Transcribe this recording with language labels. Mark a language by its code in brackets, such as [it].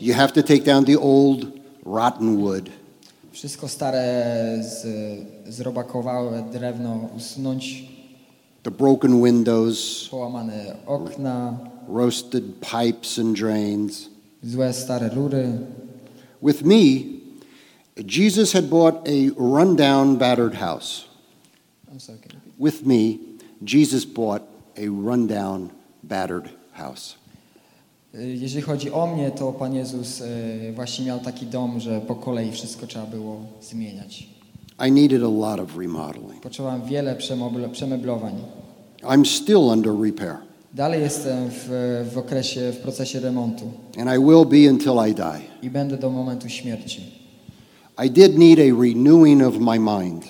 [en] You have to take down the old rotten wood. [pl] Wszystko stare zrobakowałe drewno usunąć. [en] The broken windows. [pl] Połamane okna. [en] Roasted pipes and drains. [pl] Złe stare rury. [en] With me, Jesus had bought a rundown, battered house. I'm sorry. Can I be... With me, Jesus bought a rundown, battered house. [pl] Jeżeli chodzi o mnie, to Pan Jezus właśnie miał taki dom, że po kolei wszystko trzeba było zmieniać. [en] I needed a lot of remodeling. [pl] Potrzebowałem wiele przemeblowań. [en] I'm still under repair. [pl] Dalej jestem w procesie remontu. [en] And I will be until I die. [pl] I będę do momentu śmierci. [en] I did need a renewing of my mind.